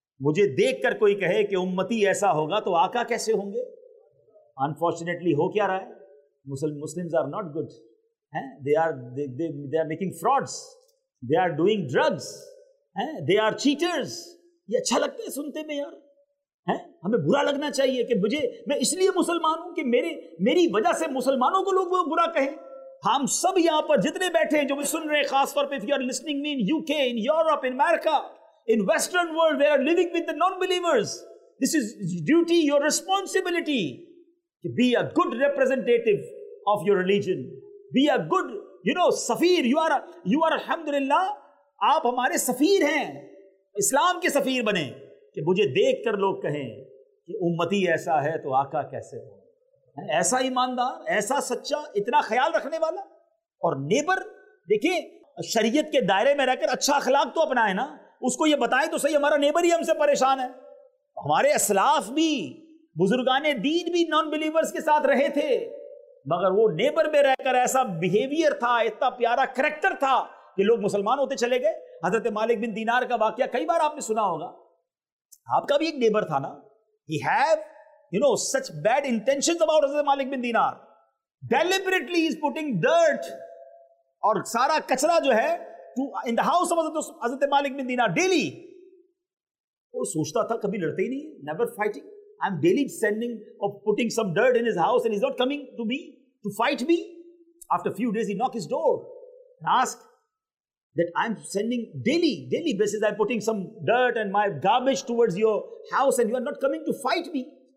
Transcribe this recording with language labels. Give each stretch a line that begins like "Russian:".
Urdu: مجھے دیکھ کر کوئی کہے کہ امتی ایسا ہوگا تو آقا کیسے ہوں گے؟ انفارچونیٹلی ہو کیا رہا ہے؟
English: Muslims are not good. They are making frauds, they are doing drugs, they are cheaters.
Urdu: یہ اچھا لگتا ہے سنتے میں یار, ہمیں برا لگنا چاہیے کہ مجھے, میں اس لیے مسلمان ہوں کہ میری وجہ سے مسلمانوں کو لوگ برا کہیں. ہم سب یہاں پر جتنے بیٹھے ہیں جو سن رہے ہیں, خاص طور پہ
English: If you are listening me in U K, in Europe, in America, in western world, we are living with the non-believers. This is duty, your responsibility to be a good representative of your religion. Be a good, you know,
Urdu: safir. You are alhamdulillah, aap hamare safir hain, islam ke safir bane, ke mujhe dekh kar log kahein ki ummati aisa hai to aqa kaise ho. Aisa imandar, aisa sachcha, itna khayal rakhne wala. Aur neighbor, dekhiye shariat ke daire mein rehkar acha akhlaq to apnaye na, اس کو یہ بتائیں تو صحیح, ہمارا neighbour ہی ہم سے پریشان ہے. ہمارے اسلاف بھی, بزرگان دین بھی نان بلیورز کے ساتھ رہے تھے, مگر وہ نیبر میں رہ کر ایسا بیہیویئر تھا, اتنا پیارا کریکٹر تھا کہ لوگ مسلمان ہوتے چلے گئے. حضرت مالک بن دینار کا واقعہ کئی بار آپ نے سنا ہوگا. آپ کا بھی ایک نیبر تھا نا, he have you know such bed intentions about حضرت مالک بن دینار, ڈیلیبریٹلی از پوٹنگ ڈرٹ اور سارا کچرا جو ہے in the house of Hazrat Malik bin Dinar daily. Woh sochta tha kabhi ladte hi nahi,
English: never fighting. I'm daily sending or putting some dirt in his house and he's not coming to me to fight me. After a few days he knocked his door and asked that I'm sending daily basis, I'm putting some dirt and my garbage towards your house and you are not coming to fight me.